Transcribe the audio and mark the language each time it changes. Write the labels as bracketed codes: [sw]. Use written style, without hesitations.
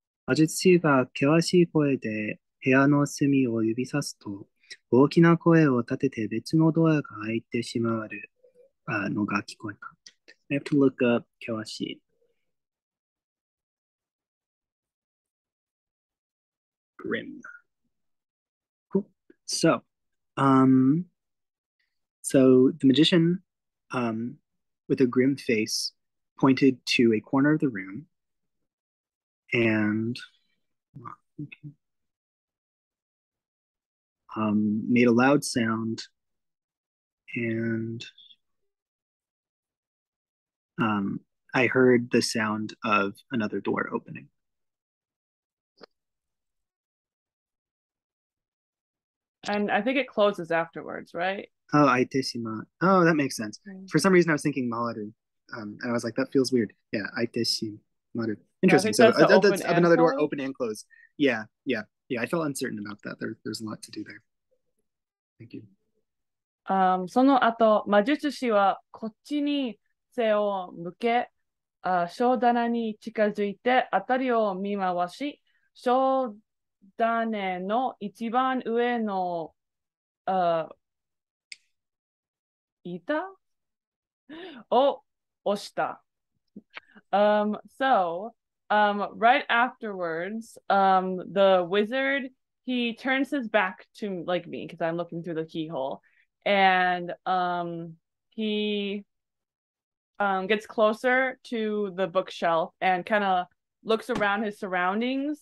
[ja] アジツシーが険しい声で部屋の隅を指さすと、大きな声を立てて別のドアが開いてしまわるのが聞こえた。 [en] I have to look up 険しい。 Grim. Cool. So the magician, with a grim face, pointed to a corner of the room, and made a loud sound, and I heard the sound of another door opening. And I think it closes afterwards, right? Oh, Aiteshima. Oh, that makes sense. For some reason, I was thinking Maru. And I was like, that feels weird. Yeah, Aiteshima. Interesting. Yeah, so that's of another close? Door, open and close. Yeah, yeah, yeah. I felt uncertain about that. There's a lot to do there. Thank you. [ja] その後、魔術師はこっちに背を向け、商棚に近づいて、あたりを見回し、商棚の一番上の、板を押した。 [en] Right afterwards, the wizard, he turns his back to like me because I'm looking through the keyhole, and he gets closer to the bookshelf and kind of looks around his surroundings.